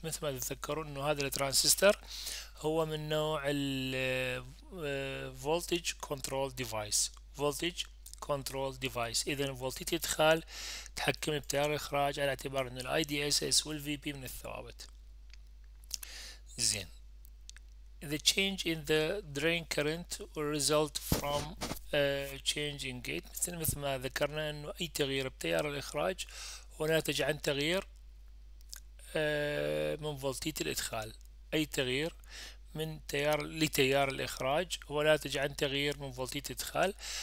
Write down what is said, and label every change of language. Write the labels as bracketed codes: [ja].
[ar] مثل ما تتذكرون إنه هذا الترانزستور هو من نوع ال فولتج كنترول ديفايس، فولتج كنترول ديفايس. إذا فولتيت إدخال تحكم بتيار الإخراج على اعتبار إنه الآي دي إس إس والفي بي من الثوابت. زين. [en] The change in the drain current will result from a change in gate. [ar] مثل ما ذكرنا إنه أي تغيير بتيار الإخراج هو ناتج عن تغيير من فولتية الإدخال. أي تغيير من تيار لتيار الإخراج هو ناتج عن تغيير من فولتية الإدخال.